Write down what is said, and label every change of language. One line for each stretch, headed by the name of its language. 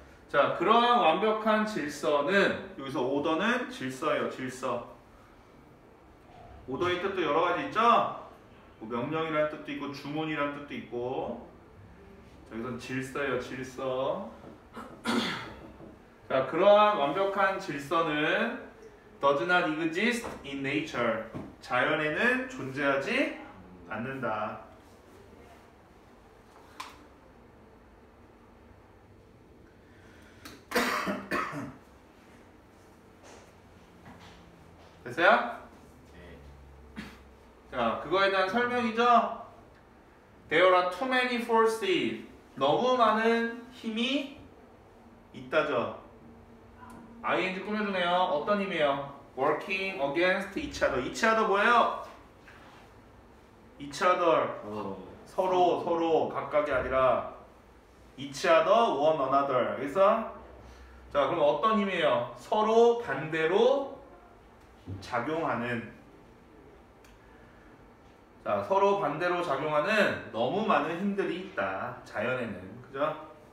Korean: 자, 그러한 완벽한 질서는 여기서 order는 질서예요. 질서. order의 뜻도 여러 가지 있죠? 뭐 명령이라는 뜻도 있고 주문이라는 뜻도 있고 여기선 질서예요, 질서. 자, 그러한 완벽한 질서는
English: does not exist in nature.
Korean: 자연에는 존재하지 않는다. 됐어요? 네. 자, 그거에 대한 설명이죠?
English: There are too many forces.
Korean: 너무 많은 힘이 있다죠. ing 꾸며주네요. 어떤 힘이에요?
English: working against each other. each other
Korean: 뭐예요?
English: each other.
Korean: 서로, 서로, 각각이 아니라
English: each other, one another.
Korean: 알겠어? 자, 그럼 어떤 힘이에요? 서로 반대로 작용하는. 자, 서로 반대로 작용하는 너무 많은 힘들이 있다. 자연에는. 그죠?